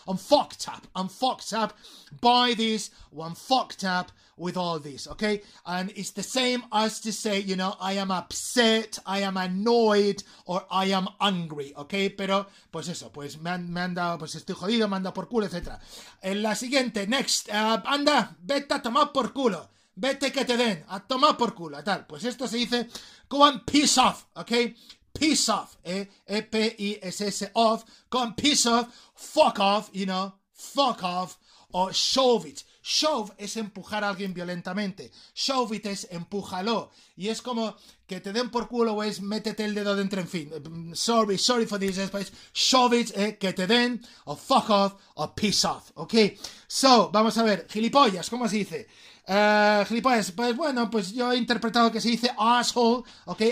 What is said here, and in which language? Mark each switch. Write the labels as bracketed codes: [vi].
[en] I'm fucked up by this, or I'm fucked up with all this, ¿ok? And it's the same as to say, you know, I am upset, I am annoyed, or I am angry, ¿ok? [es] Pero, pues eso, pues me han dado, pues estoy jodido, me han dado por culo, etc. En la siguiente, next, anda, vete a tomar por culo, vete que te den, a tomar por culo, tal. Pues esto se dice, [en] go and piss off, ¿ok? Piss off, E-P-I-S-S, off, go and piss off, fuck off, you know, fuck off, o shove it. [es] Shove es empujar a alguien violentamente. Shove it es empújalo. Y es como que te den por culo o es métete el dedo dentro, en fin. [en] Sorry, sorry for this, but shove it, [es] que te den, [en] o fuck off, o piss off, ¿ok? [es] So, vamos a ver, gilipollas, ¿cómo se dice? Gilipollas, pues bueno, pues yo he interpretado que se dice asshole, ¿ok?